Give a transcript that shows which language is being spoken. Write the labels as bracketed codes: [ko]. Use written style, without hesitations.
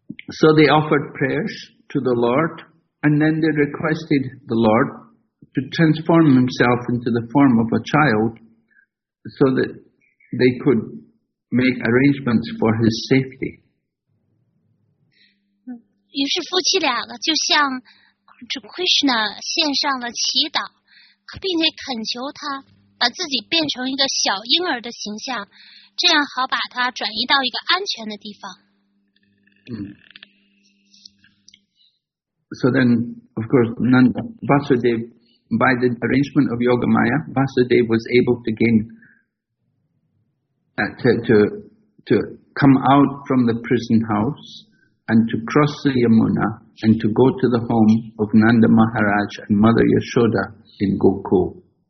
[en] So they offered prayers to the Lord, and then they requested the Lord to transform himself into the form of a child so that they could make arrangements for his safety. [zh] 于是夫妻俩就向 Krishna 献上了祈祷，并且恳求他把自己变成一个小婴儿的形象，这样好把它转移到一个安全的地方。 [en] So then, of course, Vasudeva, by the arrangement of Yogamaya, Vasudeva was able to gain, to come out from the prison house and to cross the Yamuna and to go to the home of Nanda Maharaj and Mother Yashoda in Gokul.